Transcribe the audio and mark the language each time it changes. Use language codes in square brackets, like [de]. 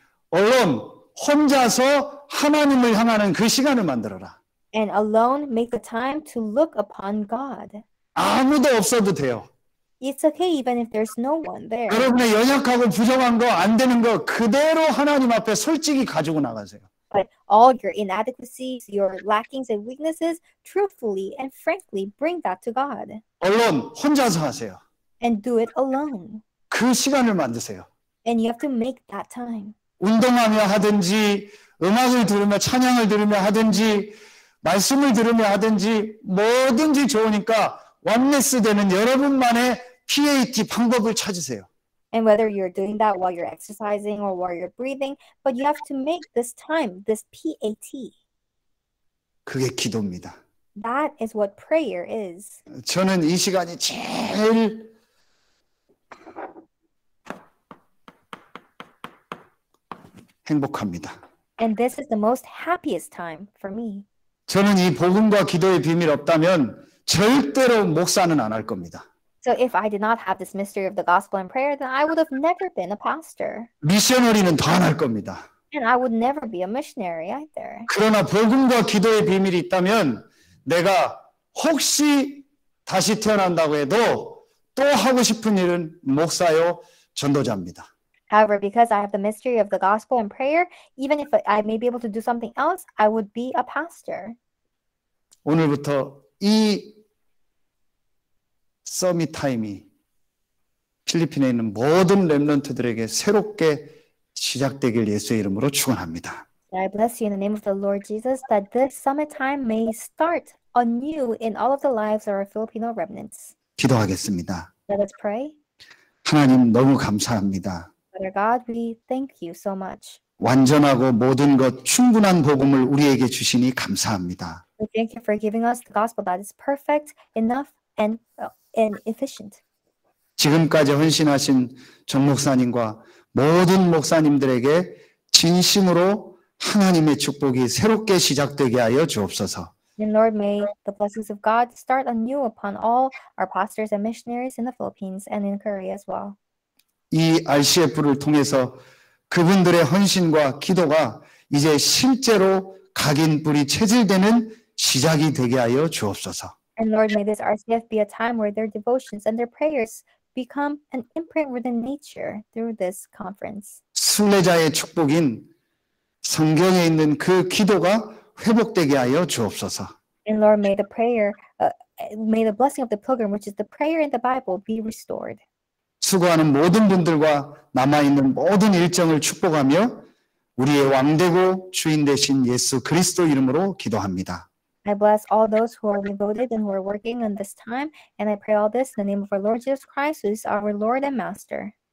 [ko] 얼른 혼자서 하나님을 향하는 그 시간을 만들어라. [en] And alone make the time to look upon God. [ko] 아무도 없어도 돼요. [en] It's okay even if there's no one there. [ko] 여러분의 연약하고 부정한 거, 안 되는 거 그대로 하나님 앞에 솔직히 가지고 나가세요. [en] But all your inadequacies, your lackings and weaknesses, truthfully and frankly bring that to God. [ko] 얼른 혼자서 하세요. [en] And do it alone. [ko] 그 시간을 만드세요. [en] And you have to make that time. [ko] 운동하며 하든지, 음악을 들으며 찬양을 들으며 하든지, 말씀을 들으며 하든지, 뭐든지 좋으니까 원리스 되는 여러분만의 PAT 방법을 찾으세요. [en] And whether you're doing that while you're exercising or while you're breathing, but you have to make this time, this PAT. [ko] 그게 기도입니다. [en] That is what prayer is. [ko] 저는 이 시간이 제일 행복합니다. [en] And this is the most happiest time for me. [ko] 저는 이 복음과 기도의 비밀 없다면 절대로 목사는 안 할 겁니다. [en] So if I did not have this mystery of the gospel and prayer, then I would have never been a pastor. [ko] 미셔너리는 더 안 할 겁니다. [en] And I would never be a missionary either. [ko] 그러나 복음과 기도의 비밀이 있다면 내가 혹시 다시 태어난다고 해도 또 하고 싶은 일은 목사요, 전도자입니다. [en] However, because I have the mystery of the gospel and prayer, even if I may be able to do something else, I would be a pastor. [ko] 오늘부터 이 서밋 타임이 필리핀에 있는 모든 렘넌트들에게 새롭게 시작되길 예수의 이름으로 축원합니다. [en] I bless you in the name of the Lord Jesus that this summit time may start anew in all of the lives of our Filipino remnants. [ko] 기도하겠습니다. [en] Let us pray. [ko] 하나님 너무 감사합니다. [en] Father God, we thank you so much. [ko] 완전하고 모든 것 충분한 복음을 우리에게 주시니 감사합니다. [en] We thank you for giving us the gospel that is perfect, enough, and efficient. [ko] 지금까지 헌신하신 전 목사님과 모든 목사님들에게 진심으로 하나님의 축복이 새롭게 시작되게 하여 주옵소서. [en] And Lord, may the blessings of God start anew upon all our pastors and missionaries in the Philippines and in Korea as well. [ko] 이 RCF를 통해서 그분들의 헌신과 기도가 이제 실제로 각인 뿌리 체질되는 시작이 되게 하여 주옵소서. [en] And Lord, may this RCF be a time where their devotions and their prayers become an imprint within nature through this conference. [ko] 순례자의 축복인 성경에 있는 그 기도가 회복되게 하여 주옵소서. [en] And Lord, may the prayer, may the blessing of the pilgrim, which is the prayer in the Bible, be restored. [ko] 수고하는 모든 분들과 남아 있는 모든 일정을 축복하며 우리의 왕 되고 주인 되신 예수 그리스도 이름으로 기도합니다. [en] I bless all those who are devoted and who are working in this time, and I pray all this in the name of our Lord Jesus Christ, who is our Lord and Master.